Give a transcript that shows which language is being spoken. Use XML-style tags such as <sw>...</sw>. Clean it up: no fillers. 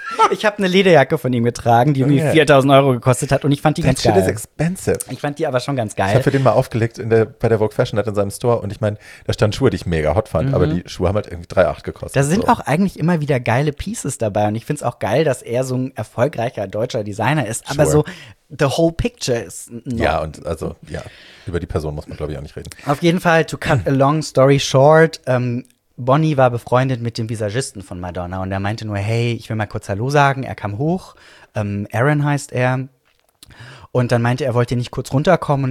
<de>Ich habe eine Lederjacke von ihm getragen, die irgendwie 4.000 Euro gekostet hat. Und ich fand die ganz geil.</de> <en>That shit is expensive.</en> <de>Ich fand die aber schon ganz geil. Ich habe für den mal aufgelegt bei der Vogue Fashion Night in seinem Store. Und ich meine, da standen Schuhe, die ich mega hot fand. Mhm. Aber die Schuhe haben halt irgendwie 3,8 gekostet. Da sind auch eigentlich immer wieder geile Pieces dabei. Und ich finde es auch geil, dass er so ein erfolgreicher deutscher Designer ist. Aber so</de> <en>the whole picture is not.</en> <de>Ja, und also, ja, über die Person muss man, glaube ich, auch nicht reden. Auf jeden Fall,</de> <en>to cut a long story short,</en> <de>Bonnie war befreundet mit dem Visagisten von Madonna und er meinte nur, hey, ich will mal kurz Hallo sagen. Er kam hoch, Aaron heißt er. Und dann meinte er, wollte nicht kurz runterkommen.</de>